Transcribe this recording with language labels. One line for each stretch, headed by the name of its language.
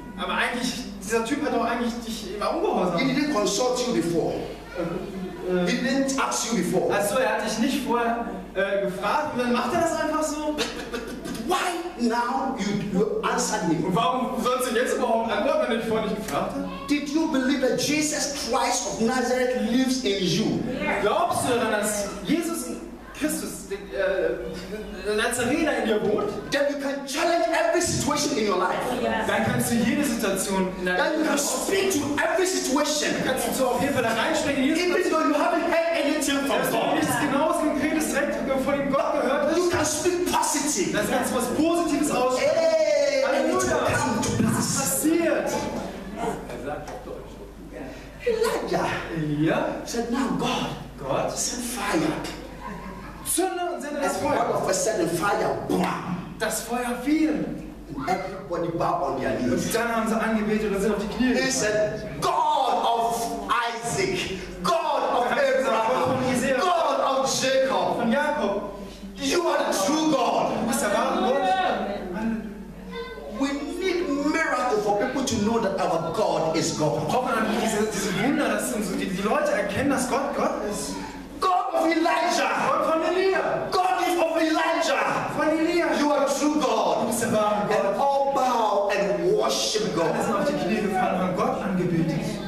German: Aber eigentlich, dieser Typ hat doch eigentlich dich immer ungehorsam.
English: He didn't consult you before. He didn't ask you before.
German: Ach so, er hat dich nicht vorher gefragt und dann macht er das einfach so.
English: Why now you answered me?
German: Und warum sollst du jetzt überhaupt antworten, wenn ich vorher nicht gefragt habe?
English: Did you believe that Jesus Christ of Nazareth lives in you? Yes.
German: Glaubst du daran, dass Jesus Christus, Nazarener in dir wohnt?
English: Then you can challenge every situation in your life. Yes.
German: Dann kannst du jede Situation in deinem
English: Leben. Then you can speak to every situation.
German: Dann kannst du zu auf Hilfe da reinsprechen.
English: Even though you haven't heard anything from God.
German: Wenn du nichts genaues konkretes direkt von dem Gott gehört hast.
English: You can speak positive.
German: Das kannst du was Positives aus. Hey,
English: and it will come to pass.
German: Was passiert?
English: Elijah. Elijah said, now God. God. Send fire.
German: Zünde und sende das Feuer.
English: All of a sudden fire, bam.
German: Das Feuer fiel.
English: And everybody bowed on their knees.
German: Und dann haben sie angebetet und sind auf die Knie.
English: He said, God of Isaac, God of Abraham, God of Jacob.
German: Von Jakob.
English: You are the true God.
German: Du bist der wahre Gott.
English: We need miracle for people to know that our God is God.
German: Wir brauchen an diese Wunder, dass uns die Leute erkennen, dass Gott Gott ist.
English: God of Elijah.
German: Gott von Elia.
English: God is of Elijah.
German: Von Elia.
English: You are true God.
German: Du bist der wahre Gott.
English: And all bow and worship God.
German: Alle sind auf die Knie gefallen und haben Gott angebetet.